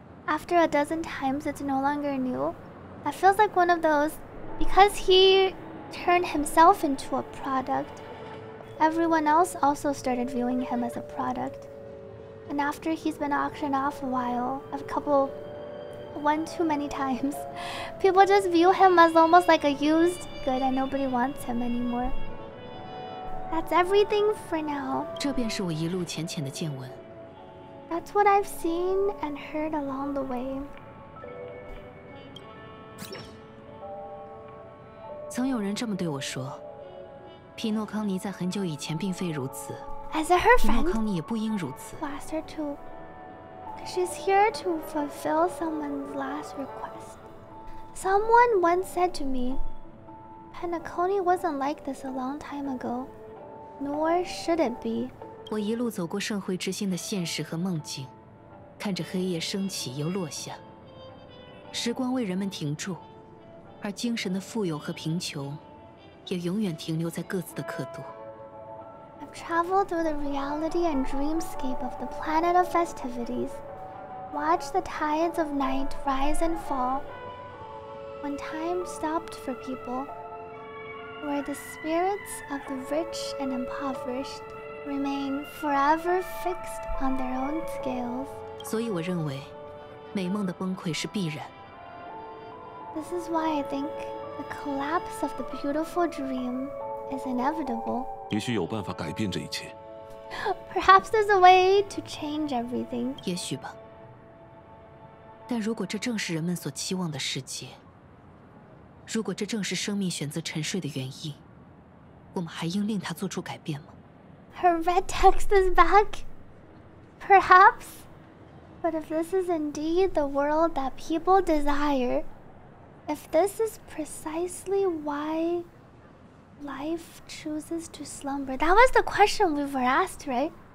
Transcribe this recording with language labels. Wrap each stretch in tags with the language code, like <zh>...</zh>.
<en>After a dozen times, it's no longer new. That feels like one of those, because he turned himself into a product, everyone else also started viewing him as a product. And after he's been auctioned off a while, a couple,one too many times. People just view him as almost like a used good and nobody wants him anymore. That's everything for now.</en> <zh>这便是我一路浅浅的见闻。</zh> <en>That's what I've seen and heard along the way.</en> <zh>曾有人这么对我说，匹诺康尼在很久以前并非如此。</zh> <en>As her friend,</en> <zh>匹诺康尼也不应如此。</zh> <en>Last her too. She's here to fulfill someone's last request. Someone once said to me, Panacone wasn't like this a long time ago, nor should it be.</en> <zh>我一路走过盛会之星的现实和梦境，看着黑夜升起又落下，时光为人们停住，而精神的富有和贫穷也永远停留在各自的刻度。</zh> <en>I've traveled through the reality and dreamscape of the planet of festivities. Watch the tides of night rise and fall. When time stopped for people, where the spirits of the rich and impoverished remain forever fixed on their own scales.</en> <zh>所以我认为，美梦的崩溃是必然。</zh> <en>This is why I think the collapse of the beautiful dream is inevitable.</en> <zh>也许有办法改变这一切。</zh> <en>Perhaps there's a way to change everything.</en> <zh>也许吧。但如果这正是人们所期望的世界，如果这正是生命选择沉睡的原因，我们还应令它做出改变吗</zh> <en>？Her red text is back, perhaps. But if this is indeed the world that people desire, if this is precisely why life chooses to slumber, that was the question we were asked, right?</en>